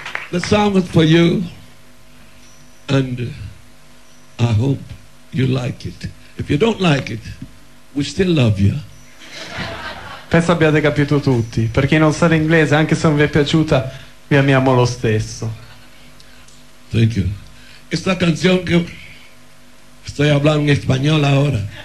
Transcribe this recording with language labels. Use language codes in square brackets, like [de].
[en] The song is for you, and I hope you like it. If you don't like it, we still love you. [it] Penso abbiate capito tutti. Per chi non sa l'inglese, anche se non vi è piaciuta, vi amiamo lo stesso. [en] Thank you. [es] Esta canción que estoy hablando en español ahora.